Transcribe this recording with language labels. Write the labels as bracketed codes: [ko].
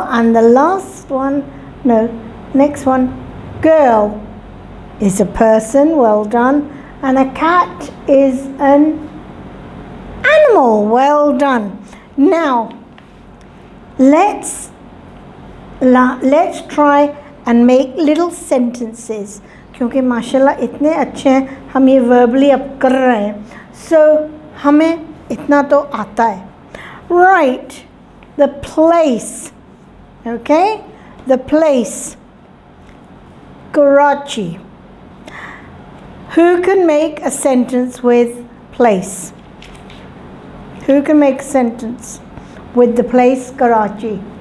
[en] And the last one, no, next one, girl is a person. Well done. And a cat is an animal. Well done. Now let's try and make little sentences. [hi] क्योंकि माशाल्लाह इतने अच्छे हैं हम ये verbally अब कर रहे हैं. So हमें इतना तो आता है. [en] Right, the place. Okay, the place. Karachi. Who can make a sentence with place? Who can make a sentence with the place Karachi?